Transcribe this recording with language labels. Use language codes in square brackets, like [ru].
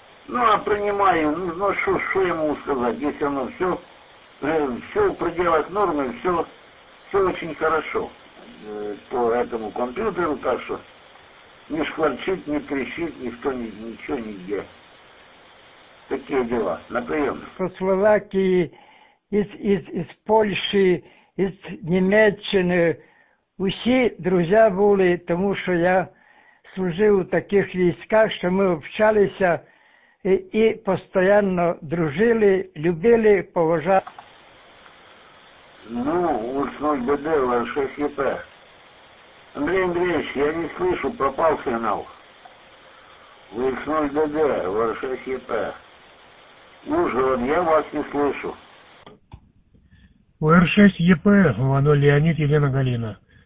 [ru] Ну, а принимаю, ну, что ему сказать, если оно все... Все в пределах нормы, все очень хорошо по этому компьютеру, так что не шкварчит, не трещит, никто ничего нигде. Такие дела, на прием. [uk] Со Словакии, из Польши, из Німеччини, усі друзі були, тому що я служив у таких військах, що ми общалися і постоянно дружили, любили, поважали. [ru] Ну, вот 0БД, Л6ЕП. Андрей Андреевич, я не слышу, пропал сигнал. Вот 0БД, Л6ЕП. Ужгород, я вас не слышу. Л6ЕП, Вано Леонид, Елена Галина.